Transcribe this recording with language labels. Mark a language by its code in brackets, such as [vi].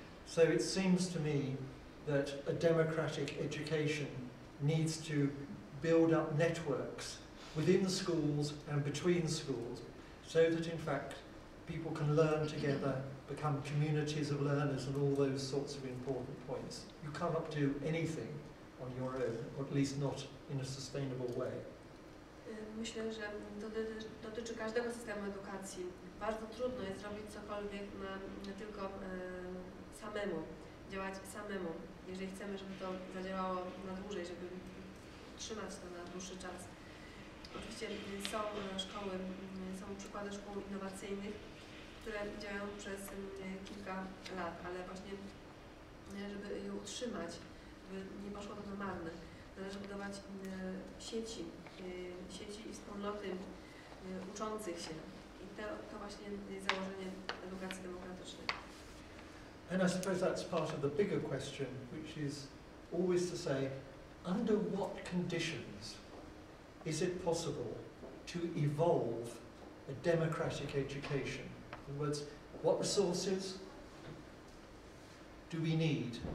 [en] So it seems to me that a democratic education needs to build up networks within the schools and between schools, so that in fact people can learn together, become communities of learners, and all those sorts of important points. You can't do anything on your own, or at least not in a sustainable way. [pl] Myślę, że to dotyczy każdego systemu edukacji. Bardzo trudno jest robić cokolwiek na, tylko samemu, działać samemu, jeżeli chcemy, żeby to zadziałało na dłużej, żeby trzymać to na dłuższy czas. Oczywiście są szkoły, są przykłady szkół innowacyjnych, które działają przez kilka lat, ale właśnie, żeby je utrzymać, żeby nie poszło to na marne, należy budować sieci, sieci i wspólnoty uczących się. I to właśnie jest założenie edukacji demokratycznej. [en] And I suppose that's part of the bigger question, which is always to say, under what conditions is it possible to evolve a democratic education? In other words, what resources do we need?